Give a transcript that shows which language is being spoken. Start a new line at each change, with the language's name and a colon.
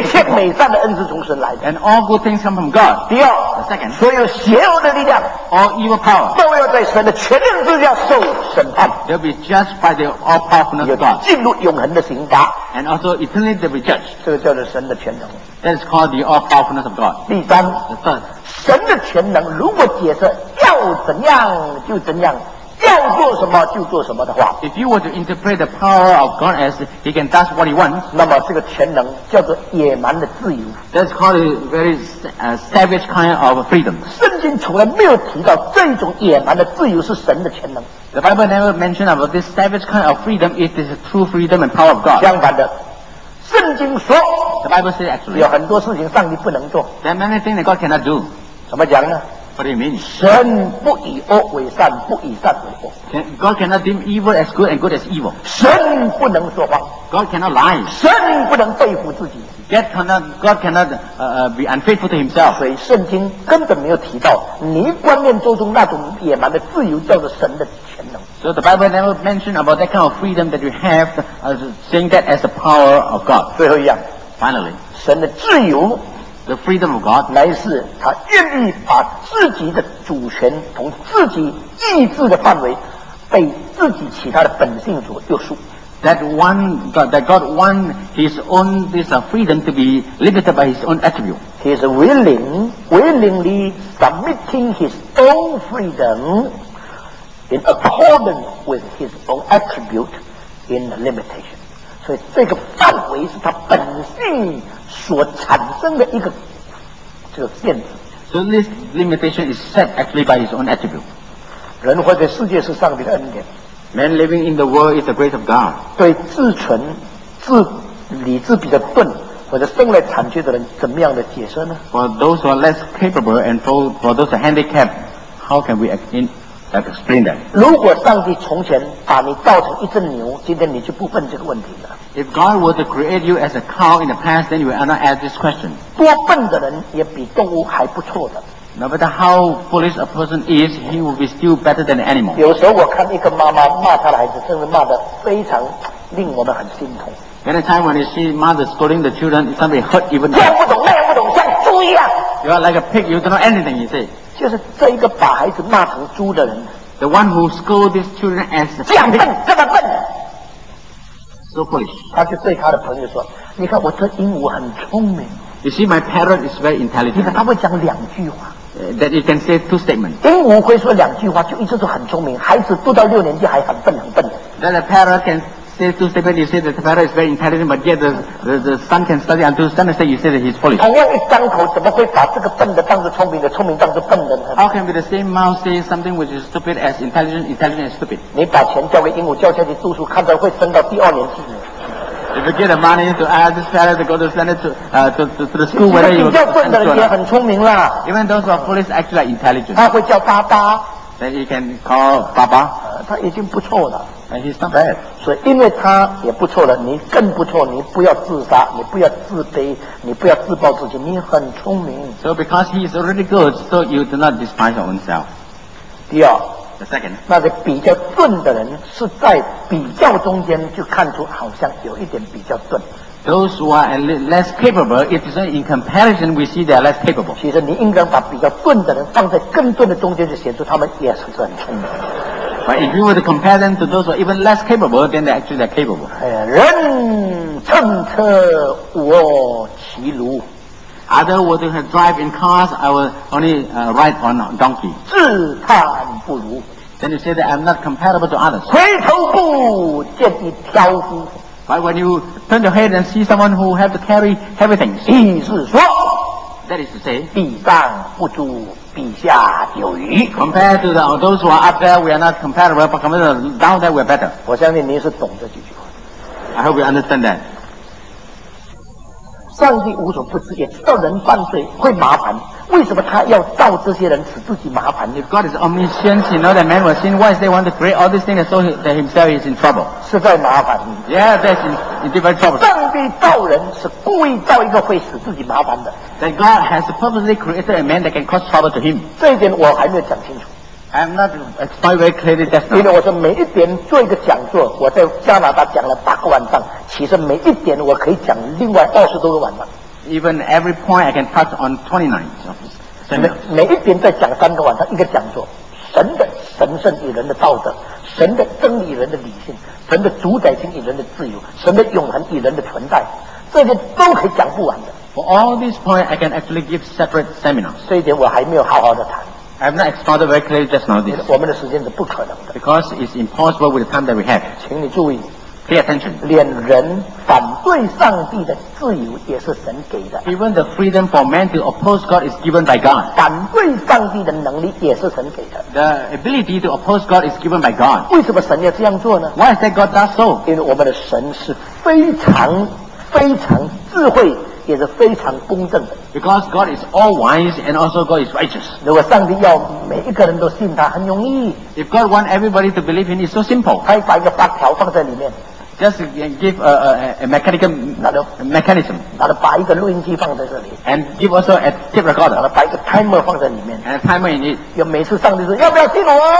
Chinese: 一切美善的恩赐从神来
English: ，and all good things come from God。
Chinese: 第二
English: ，the second，
Chinese: 所有邪恶的力量
English: ，all evil power，
Chinese: 都要在神的权能之下受审判。
English: They'll be judged by the all powerfulness of God，
Chinese: 进入永恒的刑罚。
English: And also eternally they will judge.
Chinese: 这个叫做神的全能。
English: That is called the all powerfulness of God.
Chinese: 第三，
English: the third，
Chinese: 神的全能如果解释要怎样就怎样，要做什么就做什么的话，
English: if you were to interpret the power of God as he can does what he wants,
Chinese: 那么这个全能叫做野蛮的自由。
English: That is called a very savage kind of freedom.
Chinese: 圣经从来没有提到这种野蛮的自由是神的全能。
English: The Bible never mentioned about this savage kind of freedom. It is a true freedom and power of God.
Chinese: 相反的，圣经说，
English: the Bible says actually,
Chinese: 有很多事情上帝不能做。
English: There are many things that God cannot do.
Chinese: 怎么讲呢？
English: What do you mean?
Chinese: 神不以恶为善，不以善为恶。
English: God cannot deem evil as good and good as evil.
Chinese: 神不能说谎。
English: God cannot lie.
Chinese: 神不能对付自己。
English: God cannot be unfaithful to himself.
Chinese: 所以圣经根本没有提到你观念周中那种野蛮的自由叫做神的权能。
English: So the Bible never mentioned about that kind of freedom that you have, saying that as the power of God.
Chinese: 最后一样。
English: Finally.
Chinese: 神的自由。
English: The freedom of God.
Chinese: 乃是他愿意把自己的主权从自己意志的范围被自己其他的本性所约束。
English: That God want his own this freedom to be limited by his own attribute. He is willingly submitting his own freedom in accordance with his own attribute in the limitation.
Chinese: 所以这个范围是他本性所产生的一个这个限制。
English: So this limitation is set actually by his own attribute.
Chinese: 人活在世界是上帝的恩典。
English: Man living in the world is the grace of God.
Chinese: 对自存、自理智比较钝或者生来残缺的人，怎么样的解释呢
English: ？For those who are less capable and for those who are handicapped, how can we explain that?
Chinese: 如果上帝从前把你造成一只牛，今天你就不问这个问题了。
English: If God were to create you as a cow in the past, then you would not ask this question.
Chinese: 多笨的人也比动物还不错的。
English: No matter how foolish a person is, he will be still better than an animal.
Chinese: 有时候我看一个妈妈骂她的孩子，甚至骂得非常令我们很心痛。
English: Many times when you see mother scolding the children, somebody hurt even.
Chinese: 这样不懂，那样不懂，像猪一样。
English: You are like a pig. You don't know anything. You say.
Chinese: 就是这一个把孩子骂成猪的人。
English: The one who scold these children as.
Chinese: 这样笨，这么笨。
English: So foolish.
Chinese: 他就对他的朋友说：“你看我这鹦鹉很聪明。
English: You see, my parrot is very intelligent.
Chinese: 你看他会讲两句话。
English: That you can say two statements.
Chinese: 鹦鹉会说两句话，就一直都很聪明。孩子读到六年级还很笨，很笨。
English: That the parrot can say two statements. You say that the parrot is very intelligent, but yet the son can study until son say you say that he's foolish.
Chinese: 同样一张口，怎么会把这个笨的当作聪明的，聪明当作笨的呢
English: ？How can be the same mouth say something which is stupid as intelligent, intelligent as stupid?
Chinese: 你把钱交给鹦鹉叫下去读书，看着会升到第二年级。
English: If you get the money to ask this parent to go to send it to the school where you are. Even those who are foolish actually are intelligent.
Chinese: 他会叫爸爸。
English: Then he can call
Chinese: 爸爸。他已经不错了。
English: And he's not bad.
Chinese: 所以因为他也不错了，你更不错，你不要自杀，你不要自卑，你不要自暴自弃，你很聪明。
English: So because he is already good, so you do not despise your own self.
Chinese: 第二。
English: The second.
Chinese: 那些比较钝的人是在比较中间就看出好像有一点比较钝。
English: Those who are less capable, it is in comparison we see they are less capable.
Chinese: 其实你应该把比较钝的人放在更钝的中间，就显出他们也是很聪明。
English: But if you were to compare them to those who are even less capable, then they actually are capable.
Chinese: 人乘车，我骑驴。
English: Other were to have drive in cars, I will only ride on a donkey.
Chinese: 自叹不如。
English: Then you say that I'm not compatible to others.
Chinese: 回头不见一挑夫。
English: But when you turn your head and see someone who have to carry heavy things.
Chinese: 意思说。
English: That is to say.
Chinese: 比上不足，比下有余。
English: Compared to those who are up there, we are not compatible, but compared to down there, we are better.
Chinese: 我相信您是懂这几句话。
English: I hope you understand that.
Chinese: 上帝无所不知，也知道人犯罪会麻烦，为什么他要造这些人使自己麻烦呢
English: ？If God is omniscient, he knows that man will sin. Why is they want to create all these things so that himself is in trouble?
Chinese: 是在麻烦。
English: Yeah, that's in different trouble.
Chinese: 上帝造人是故意造一个会使自己麻烦的。
English: That God has purposely created a man that can cause trouble to him.
Chinese: 这一点我还没有讲清楚。
English: I'm not explaining very clearly just now.
Chinese: 因为我说每一点做一个讲座，我在加拿大讲了八个晚上，其实每一点我可以讲另外二十多个晚上。
English: Even every point I can touch on 29.
Chinese: 每一点再讲三个晚上，一个讲座，神的神圣与人的道德，神的真理与人的理性，神的主宰性与人的自由，神的永恒与人的存在，这些都可以讲不完的。
English: For all these points, I can actually give separate seminars.
Chinese: 这一点我还没有好好的谈。
English: I've not explored very clearly just now this.
Chinese: 我们的时间是不可能的。
English: Because it's impossible with the time that we have.
Chinese: 请你注意。
English: Pay attention.
Chinese: 连人反对上帝的自由也是神给的。
English: Even the freedom for man to oppose God is given by God.
Chinese: 反对上帝的能力也是神给的。
English: The ability to oppose God is given by God.
Chinese: 为什么神要这样做呢
English: ？Why is that God does so?
Chinese: 因为我们的神是非常非常智慧也是非常公正的。
English: Because God is all wise and also God is righteous.
Chinese: 如果上帝要每一个人都信他，很容易。
English: If God want everybody to believe in, it's so simple.
Chinese: 他把一个八条放在里面。
English: Just give a mechanical mechanism.
Chinese: 然后把一个录音机放在这里。
English: And give also a tape recorder.
Chinese: 然后把一个 timer 放在里面。
English: And a timer in it.
Chinese: 又每次上帝说要不要听我？